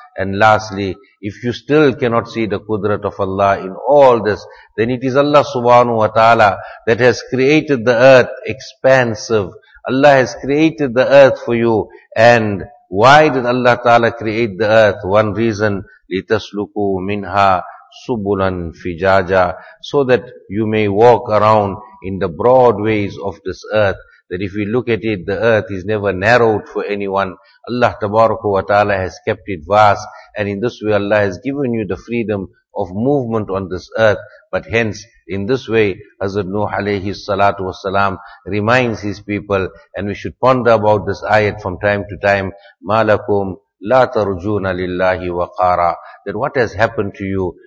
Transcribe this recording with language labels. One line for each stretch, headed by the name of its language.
English: And lastly, if you still cannot see the Qudrat of Allah in all this, then it is Allah subhanahu wa ta'ala that has created the earth expansive. Allah has created the earth for you. And why did Allah Ta'ala create the earth? One reason,
Arabic: لِتَسْلُكُوا مِنْهَا سُبُلًا فِجَاجًا.
English: So that you may walk around in the broad ways of this earth. That if we look at it, the earth is never narrowed for anyone. Allah Tabaraka wa Ta'ala has kept it vast. And in this way, Allah has given you the freedom of movement on this earth. But hence, in this way, Hazrat Nuh alayhi salatu wasalam reminds his people, and we should ponder about this ayat from time to time,
Arabic: مَا لَكُمْ لَا تَرْجُونَ لِلَّهِ وَقَارًا.
English: That what has happened to you?